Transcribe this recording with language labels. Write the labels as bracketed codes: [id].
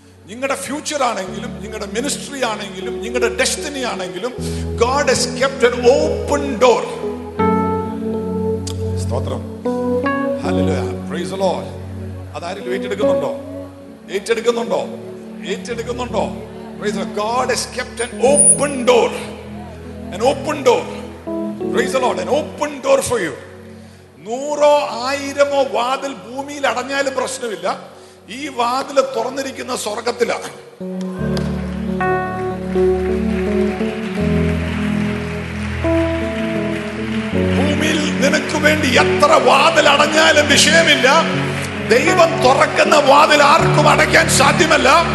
[ml] നിങ്ങളുടെ ഫ്യൂച്ചർ ആണെങ്കിലും നിങ്ങളുടെ മിനിസ്ട്രി ആണെങ്കിലും നിങ്ങളുടെ ഡെസ്റ്റിനി ആണെങ്കിലും [en] God has kept an open door. [ml] സ്തോത്രം, hallelujah, [en] Praise the Lord. [ml] അതാരെങ്കിലും ഏറ്റെടുക്കുന്നുണ്ടോ? ഏറ്റെടുക്കുന്നുണ്ടോ? ഏറ്റെടുക്കുന്നുണ്ടോ? Praise the Lord. [en] God has kept an open door, an open door. Praise the Lord, an open door for you. [ml] നൂറോ ആയിരമോ വാതിൽ ഭൂമിയിൽ അടഞ്ഞാലും പ്രശ്നമില്ല, ഈ വാതിൽ തുറന്നിരിക്കുന്ന സ്വർഗത്തിലാണ്. ഭൂമിയിൽ നിനക്ക് വേണ്ടി എത്ര വാതിൽ അടഞ്ഞാലും വിഷയമില്ല, ദൈവം തുറക്കുന്ന വാതിൽ ആർക്കും അടയ്ക്കാൻ സാധ്യമല്ല.